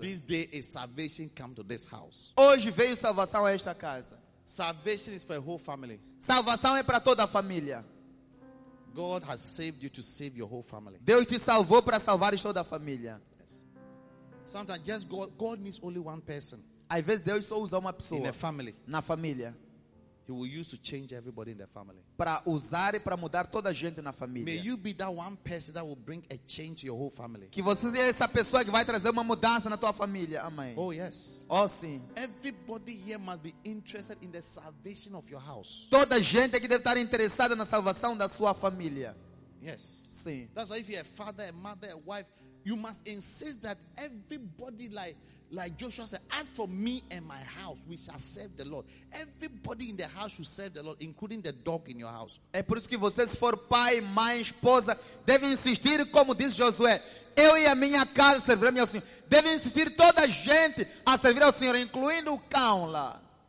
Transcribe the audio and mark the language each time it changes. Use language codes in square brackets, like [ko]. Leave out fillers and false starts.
[en] This day is salvation come to this house. [pt] Hoje veio salvação a esta casa. [en] Salvation is for a whole family. [pt] Salvação é para toda a família. [en] God has saved you to save your whole family. [pt] Deus te salvou para salvar toda a família. [en] Yes. Sometimes just God needs only one person. [pt] Às vezes Deus só usa uma pessoa. [en] In a family. [pt] Na família. [en] He will use to change everybody in the family. [pt] Para usar e para mudar toda a gente na família. [en] May you be that one person that will bring a change to your whole family. [pt] Que você seja essa pessoa que vai trazer uma mudança na tua família. Amém. [en] Oh yes. [pt] Oh sim. [en] Everybody here must be interested in the salvation of your house. [pt] Toda gente aqui deve estar interessada na salvação da sua família. [en] Yes. [pt] Sim. [en] That's why if you're a father, a mother, a wife, you must insist that everybody like Joshua said, as for me and my house, we shall serve the Lord. Everybody in the house should serve the Lord, including the dog in your house. [pt] É por isso que você, se for pai, mãe, esposa, deve insistir, como diz Josué, eu e a minha casa serviremos ao Senhor. Deve insistir toda a gente a servir ao Senhor, incluindo o cão lá.